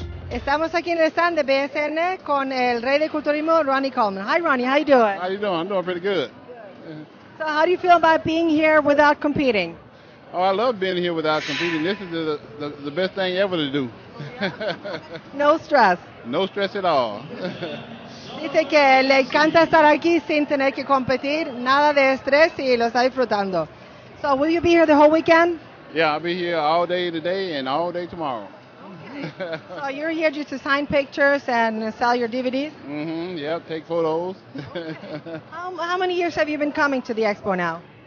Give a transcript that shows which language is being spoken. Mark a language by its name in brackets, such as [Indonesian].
[Spanish] Estamos aquí en el stand de BSN con el rey de culturismo, Ronnie Coleman. [English] Hi, Ronnie. How you doing? How you doing? I'm doing pretty good. So how do you feel about being here without competing? Oh, I love being here without competing. This is the best thing ever to do. No stress. No stress at all. [Spanish] Dice que le encanta estar aquí sin tener que competir. Nada de estrés y lo está disfrutando. [English] So will you be here the whole weekend? Yeah, I'll be here all day today and all day tomorrow. So you're here just to sign pictures and sell your DVDs? Mm-hmm, yeah, take photos. Okay. How many years have you been coming to the expo now?